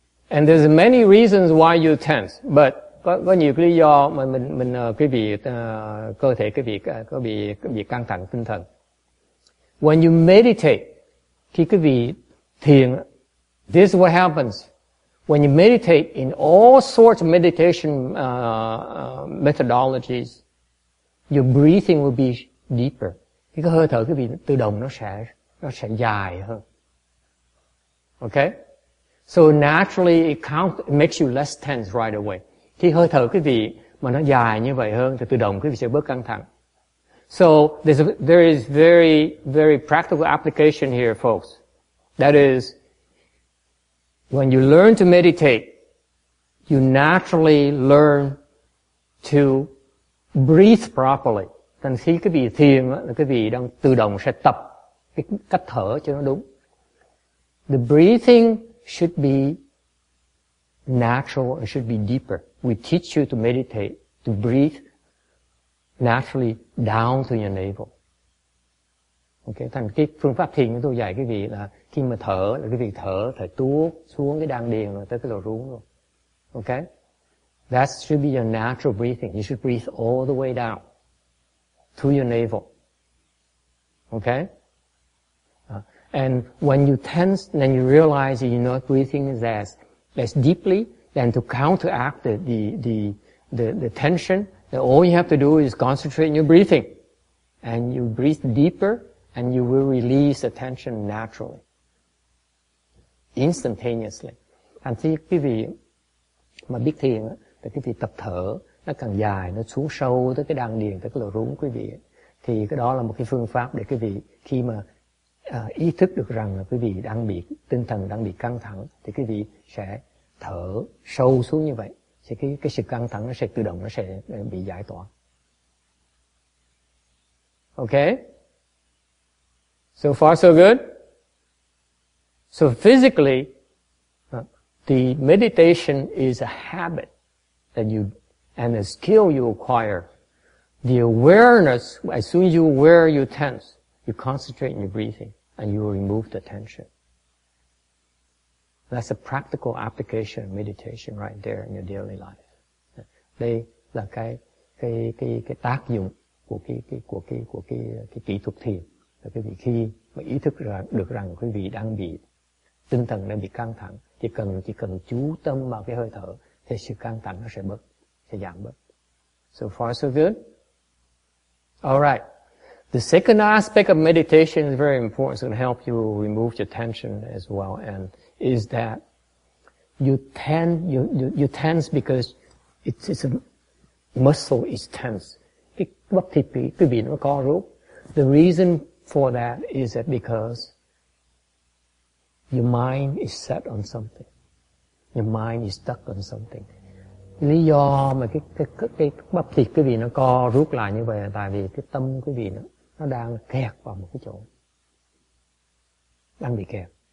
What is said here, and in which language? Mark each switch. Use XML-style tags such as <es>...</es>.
<en>And there's many reasons why you tense, but</en> <vi>có nhiều lý do mà mình quý vị cơ thể quý vị có bị căng thẳng tinh thần.</vi> <en>When you meditate,</en> <vi>khi quý vị thiền,</vi> <en>this is what happens. When you meditate in all sorts of meditation methodologies, your breathing will be deeper.</en> <vi>Thì cái hơi thở quý vị tự động nó sẽ dài hơn.</vi> <en>Okay? So naturally it makes you less tense right away.</en> <vi>Khi hơi thở quý vị mà nó dài như vậy hơn thì tự động quý vị sẽ bớt căng thẳng.</vi> <en>So there is very very practical application here, folks. That is, when you learn to meditate, you naturally learn to breathe properly.</en> <vi>Thành khi quý vị thiền là quý vị đang tự động sẽ tập cái cách thở cho nó đúng.</vi> <en>The breathing should be natural and should be deeper. We teach you to meditate, to breathe naturally down to your navel.</en> <vi>Okay, thành cái phương pháp thiền tôi dạy quý vị là khi mà thở là quý vị thở phải tuốt xuống cái đan điền rồi tới cái lỗ rốn luôn.</vi> <en>Okay? That should be your natural breathing. You should breathe all the way down to your navel. Okay? And when you tense, then you realize that you're not breathing as deeply, then to counteract the tension, then all you have to do is concentrate on your breathing. And you breathe deeper, and you will release the tension naturally. Instantaneously.</en> <vi>Thành thì quý vị mà biết thiền, thì quý vị tập thở, nó càng dài, nó xuống sâu tới cái đan điền, tới cái lỗ rốn quý vị. Thì cái đó là một cái phương pháp để quý vị khi mà ý thức được rằng là quý vị đang bị tinh thần đang bị căng thẳng thì quý vị sẽ thở sâu xuống như vậy thì cái sự căng thẳng nó sẽ tự động nó sẽ bị giải tỏa.</vi> <en>Okay. So far so good. So physically, the meditation is a habit that you and a skill you acquire. The awareness, as soon as you aware, you tense, you concentrate in your breathing. And you will remove the tension. That's a practical application of meditation right there in your daily life.</en> <vi>Đây là cái tác dụng của cái kỹ thuật thiền. Là quý vị khi mà ý thức được rằng quý vị đang bị tinh thần đang bị căng thẳng, chỉ cần chú tâm vào cái hơi thở, thì sự căng thẳng nó sẽ giảm bớt.</vi> <en>So far so good. All right. The second aspect of meditation is very important. It's going to help you remove your tension as well. And is that you tense because it's a muscle is tense.</en> <vi>Bắp thịt quý vị nó co rút.</vi> <en>The reason for that is that because your mind is set on something. Your mind is stuck on something.</en> <vi>Lý do mà cái bắp thịt quý vị nó co rút lại như vậy là tại vì cái tâm quý vị nó đang kẹt vào một cái chỗ, đang bị kẹt.</vi>